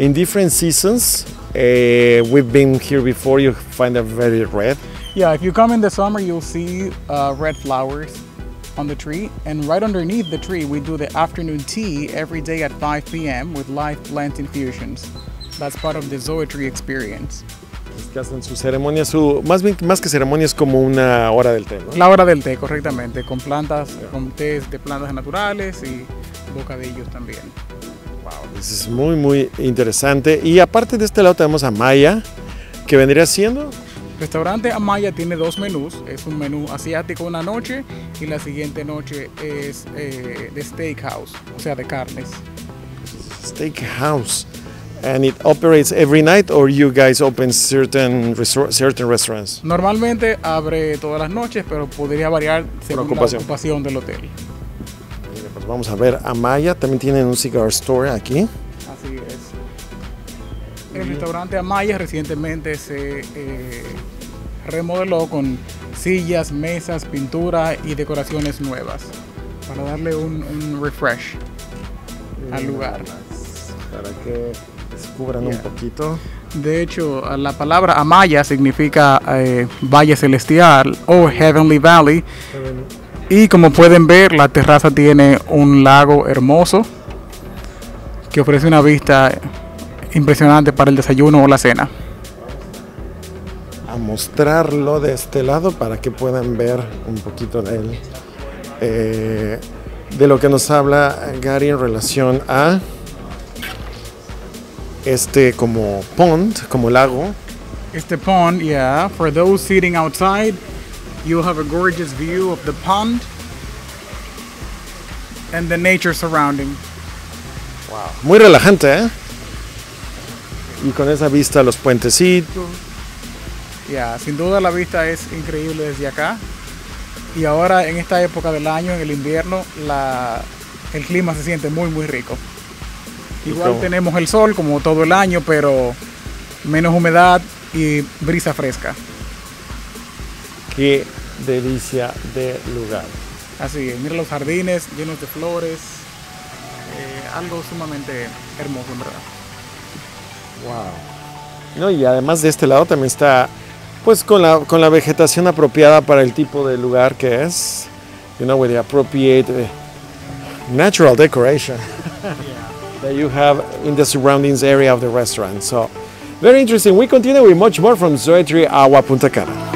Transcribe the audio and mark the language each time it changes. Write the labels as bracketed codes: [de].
[en] In different seasons, we've been here before, you find a very red. Yeah, if you come in the summer, you'll see red flowers on the tree. And right underneath the tree, we do the afternoon tea every day at 5 p.m. with live plant infusions. That's part of the zoetree experience. [es] Que hacen su ceremonia, más que ceremonia, es como una hora del té, ¿no? La hora del té, correctamente, con plantas, yeah. Con tés de plantas naturales y bocadillos también. [en] Wow, this is [es] muy, muy interesante. Y aparte de este lado tenemos a Maya, ¿qué vendría siendo? Restaurante Amaya tiene dos menús, es un menú asiático una noche y la siguiente noche es de steakhouse, o sea, de carnes. Steakhouse. [en] And it operates every night, or you guys open certain restaurants? [es] Normalmente abre todas las noches, pero podría variar según ocupación. La ocupación del hotel. Mira, pues vamos a ver a Maya. También tienen un cigar store aquí. Así es. El restaurante Amaya recientemente se remodeló con sillas, mesas, pintura y decoraciones nuevas para darle un refresh al lugar. Para que cubran un poquito. De hecho, la palabra Amaya significa valle celestial o Heavenly Valley. Y como pueden ver, la terraza tiene un lago hermoso que ofrece una vista impresionante para el desayuno o la cena. A mostrarlo de este lado para que puedan ver un poquito de él. De lo que nos habla Gary en relación a este como pond, como lago. Este pond, yeah. [en] For those sitting outside, you'll have a gorgeous view of the pond and the nature surrounding. [es] Wow. Muy relajante, ¿eh? y con esa vista a los puentecitos. Ya, sin duda la vista es increíble desde acá. Y ahora en esta época del año, en el invierno, el clima se siente muy, muy rico. Igual tenemos el sol como todo el año, pero menos humedad y brisa fresca. Qué delicia de lugar. Así es, mira los jardines llenos de flores. Algo sumamente hermoso, en verdad. Wow. No, y además de este lado también está, pues, con la vegetación apropiada para el tipo de lugar que es. [en] You know, with the appropriate natural decoration. That you have in the surroundings area of the restaurant. So, very interesting. We continue with much more from Zoetri Agua Punta Cana.